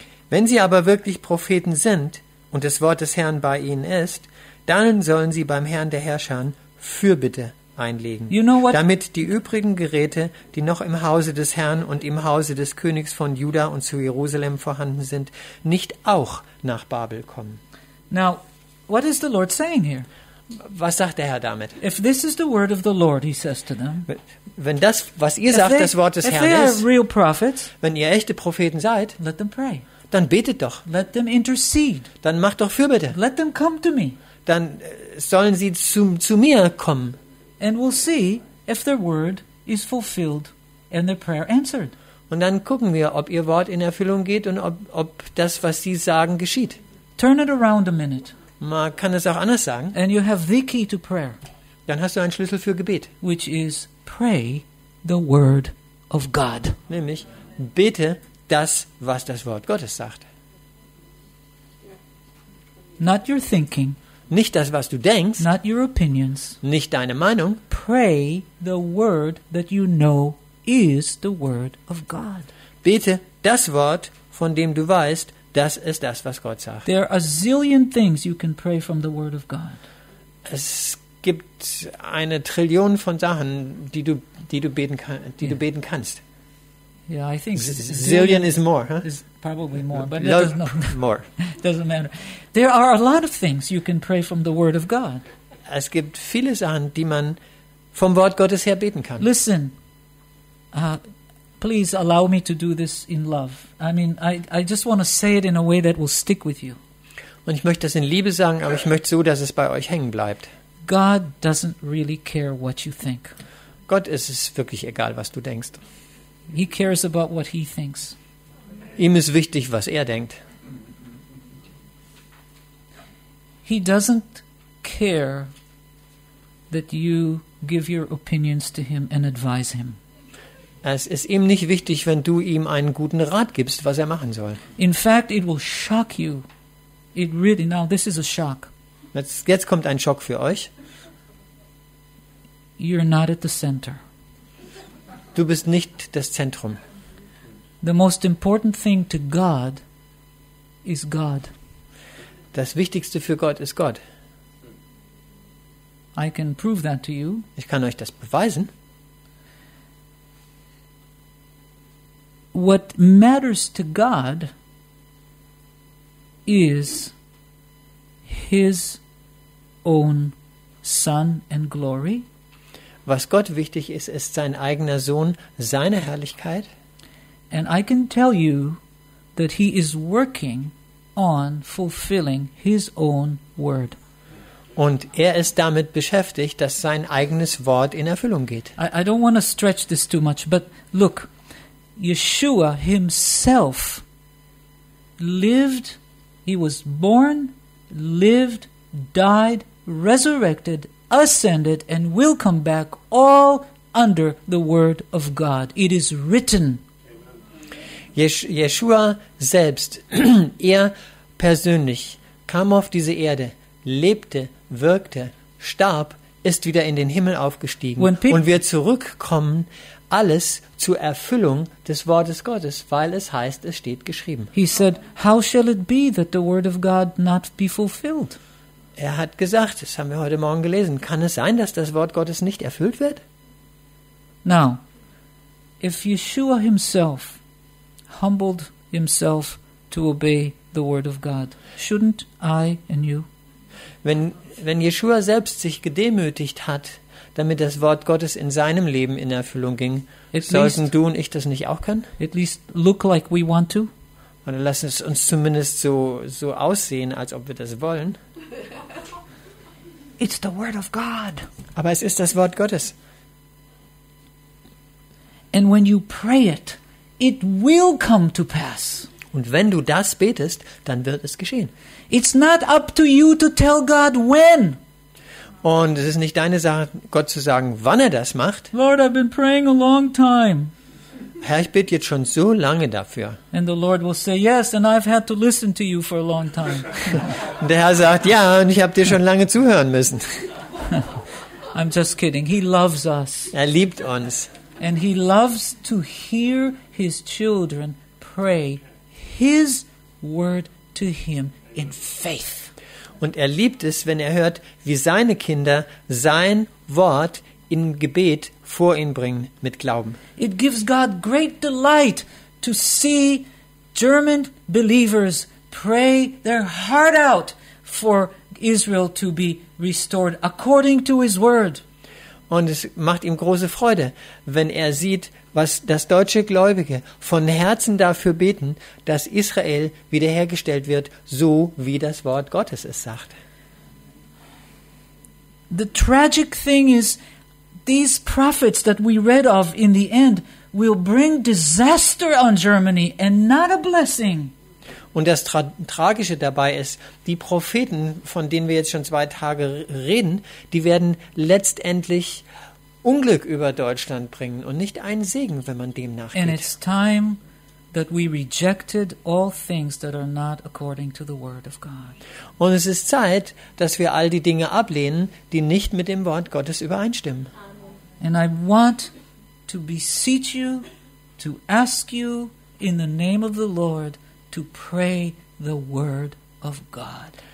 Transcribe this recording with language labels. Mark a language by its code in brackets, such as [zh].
[de] Wenn sie aber wirklich Propheten sind, und das Wort des Herrn bei ihnen ist, dann sollen sie beim Herrn der Herrscher Fürbitte einlegen, [en] you know what? [de] Damit die übrigen Geräte, die noch im Hause des Herrn und im Hause des Königs von Juda und zu Jerusalem vorhanden sind, nicht auch nach Babel kommen. [en] Now, what is the Lord saying here? [de] Was sagt der Herr damit? [en] If this is the word of the Lord, he says to them. [de] Wenn das, was ihr sagt, das Wort des Herrn ist, [en] real prophets, [de] wenn ihr echte Propheten seid, [en] let them pray. [de] Dann betet doch. [en] Let them intercede. [de] Dann macht doch Fürbitte. [en] Let them come to me. [de] Dann sollen sie zu mir kommen. [en] And we'll see if their word is fulfilled and their prayer answered. [de] Und dann gucken wir, ob ihr Wort in Erfüllung geht und ob das, was sie sagen, geschieht. [en] Turn it around a minute. [de] Man kann es auch anders sagen. [en] And you have the key to prayer. [de] Dann hast du einen Schlüssel für Gebet. [en] Which is pray the word of God. [de] Nämlich bete das, was das Wort Gottes sagt. [en] Not your thinking. [de] Nicht das, was du denkst. [en] Not your opinions. [de] Nicht deine Meinung. [en] Pray the word that you know is the word of God. [de] Bete das Wort, von dem du weißt, das ist das, was Gott sagt. [en] There are a zillion things you can pray from the word of God. [de] Es gibt eine Trillion von Sachen, die du beten kannst. [en] Yeah, I think zillion is more, huh? Is probably more, but that doesn't more. Doesn't matter. There are a lot of things you can pray from the word of God. [de] Es gibt viele Sachen, die man vom Wort Gottes her beten kann. [en] Listen. Please allow me to do this in love. I mean, I just want to say it in a way that will stick with you. [de] Und ich möchte das in Liebe sagen, aber ich möchte so, dass es bei euch hängen bleibt. [en] God doesn't really care what you think. [de] Gott ist es wirklich egal, was du denkst. [en] He cares about what he thinks. [de] Ihm ist wichtig, was er denkt. [en] He doesn't care that you give your opinions to him and advise him. [de] Es ist ihm nicht wichtig, wenn du ihm einen guten Rat gibst, was er machen soll. [en] In fact, it will shock you. It really, now this is a shock. [de] Jetzt kommt ein Schock für euch. [en] You're not at the center. [de] Du bist nicht das Zentrum. [en] The most important thing to God is God. [de] Das Wichtigste für Gott ist Gott. [en] I can prove that to you. [de] Ich kann euch das beweisen. [en] What matters to God is his own Son and glory. [de] Was Gott wichtig ist, ist sein eigener Sohn, seine Herrlichkeit. [en] And I can tell you that he is working on fulfilling his own word. [de] Und er ist damit beschäftigt, dass sein eigenes Wort in Erfüllung geht. [en] I don't want to stretch this too much, but look, Yeshua himself lived, he was born, lived, died, resurrected, ascended and will come back all under the word of God. It is written. [de] Yeshua selbst, er persönlich, kam auf diese Erde, lebte, wirkte, starb, ist wieder in den Himmel aufgestiegen und wir zurückkommen, alles zur Erfüllung des Wortes Gottes, weil es heißt, es steht geschrieben. [en] He said, how shall it be that the word of God not be fulfilled? [de] Er hat gesagt, das haben wir heute Morgen gelesen, kann es sein, dass das Wort Gottes nicht erfüllt wird? [en] Now, if Yeshua himself humbled himself to obey the word of God, shouldn't I and you? [de] Wenn Yeshua selbst sich gedemütigt hat, damit das Wort Gottes in seinem Leben in Erfüllung ging, sollten du und ich das nicht auch können? [en] At least look like we want to. [de] Und lass es uns zumindest so aussehen, als ob wir das wollen. [en] It's the word of God. [de] Aber es ist das Wort Gottes. [en] And when you pray it, it will come to pass. [de] Und wenn du das betest, dann wird es geschehen. [en] It's not up to you to tell God when. [de] Und es ist nicht deine Sache, Gott zu sagen, wann er das macht. [en] Lord, I've been praying a long time. [de] Herr, ich bete jetzt schon so lange dafür. [en] And the Lord will say, yes, and I've had to listen to you for a long time. [de] Und der Herr sagt, ja, und ich habe dir schon lange zuhören müssen. [en] I'm just kidding. He loves us. [de] Er liebt uns. [en] And he loves to hear his children pray his word to him in faith. [de] Und er liebt es, wenn er hört, wie seine Kinder sein Wort in Gebet vor ihn bringen mit Glauben. [en] It gives God great delight to see German believers pray their heart out for Israel to be restored according to his word. [de] Und es macht ihm große Freude, wenn er sieht, was das deutsche Gläubige von Herzen dafür beten, dass Israel wiederhergestellt wird, so wie das Wort Gottes es sagt. [en] The tragic thing is, these prophets that we read of in the end will bring disaster on Germany and not a blessing. [de] Und das Tragische dabei ist, die Propheten, von denen wir jetzt schon zwei Tage reden, die werden letztendlich Unglück über Deutschland bringen und nicht einen Segen, wenn man dem nachgeht. [en] And it's time that we rejected all things that are not according to the word of God. [de] Und es ist Zeit, dass wir all die Dinge ablehnen, die nicht mit dem Wort Gottes übereinstimmen. [en] And I want to beseech you, to ask you in the name of the Lord, to pray the word of God.